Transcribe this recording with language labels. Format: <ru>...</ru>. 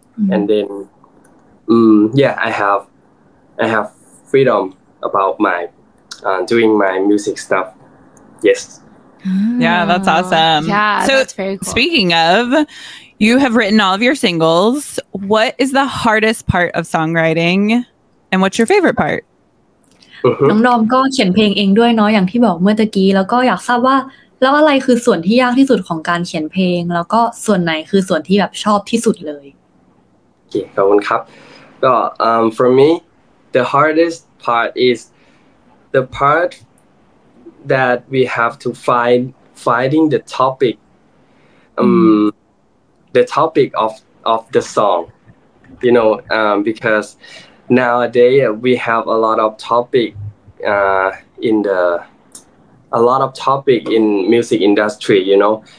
<en>And then, I have freedom about my doing my music stuff. Yes. Yeah, that's awesome. Yeah, so that's very cool. Speaking of, you have written all of your singles. What is the hardest part of songwriting? And what's your favorite part?</en> <th>น้องดอมก็เขียนเพลงเองด้วยเนาะอย่างที่บอกเมื่อตะกี้แล้วก็อยากทราบว่าแล้วอะไรคือส่วนที่ยากที่สุดของการเขียนเพลงแล้วก็ส่วนไหนคือส่วนที่แบบชอบที่สุดเลย โอเคขอบคุณครับก็</th> <en>for me the hardest part is the part that we have to finding the topic the topic of the song you know becausenowadays we have a lot of topic in music industry you know</en>